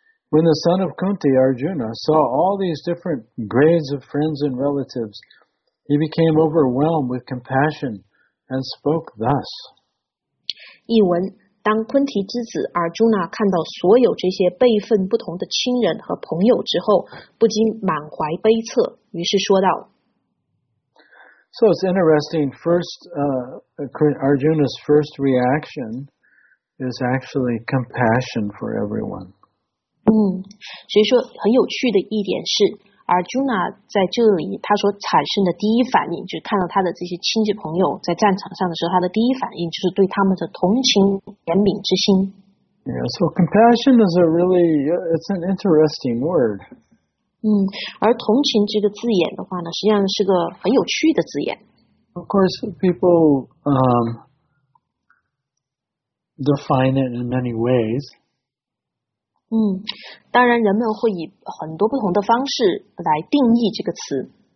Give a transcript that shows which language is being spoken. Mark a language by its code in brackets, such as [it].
[en] When the son of Kunti, Arjuna, saw all these different grades of friends and relatives, he became overwhelmed with compassion and spoke thus. [zh] 译文当昆提之子 Arjuna 看到所有这些辈分不同的亲人和朋友之后不禁满怀悲恻于是说道 [en] So it's interesting, Arjuna's first reaction is actually compassion for everyone. [zh] 所以说很有趣的一点是 Arjuna 在这里他所产生的第一反应就是看到他的这些亲戚朋友在战场上的时候他的第一反应就是对他们的同情怜悯之心。 [en] Yeah, so compassion is a really, it's an interesting word. [zh] 而同情这个字眼的话呢实际上是个很有趣的字眼。 [en] Of course, people, define it in many ways. [zh] 当然人们会以很多不同的方式来定义这个词。